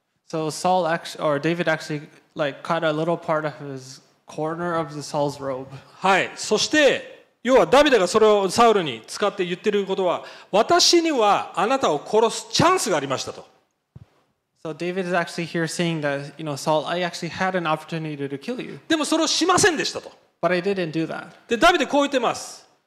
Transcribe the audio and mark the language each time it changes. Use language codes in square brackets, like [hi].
[en] So Saul actually, or David actually, like, cut a little part of his corner of the Saul's robe. [ja] はい。そして、要はダビデがそれをサウルに使って言ってることは、私にはあなたを殺すチャンスがありましたと。 [en] So David is actually here saying that, you know, Saul, I actually had an opportunity to kill you. [ja] でもそれをしませんでしたと。 [en] But I didn't do that. [ja] で、ダビデこう言ってます。